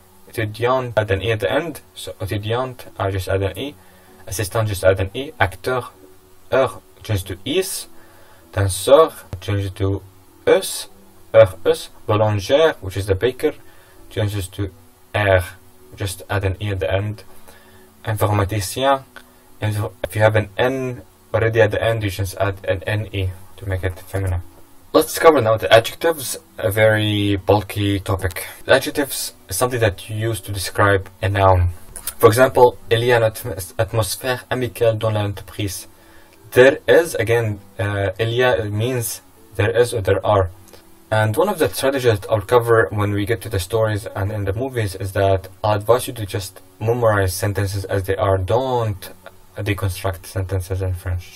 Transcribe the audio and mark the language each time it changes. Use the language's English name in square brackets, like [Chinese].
[English] Étudiant, add an E at the end, so étudiant, I just add an E, assistant, just add an E, acteur, er, change to is, danseur, change to us, er, us, boulanger, which is the baker, changes to er, just add an E at the end, informaticien, if you have an N already at the end, you just add an NE to make it feminine. Let's cover now the adjectives, a very bulky topic. Adjectives is something that you use to describe a noun. For example, [French] il y a une atmosphère amicale dans l'entreprise. [English] There is, again, il y a means there is or there are. And one of the strategies that I'll cover when we get to the stories and in the movies is that I'll advise you to just memorize sentences as they are. Don't deconstruct sentences in French.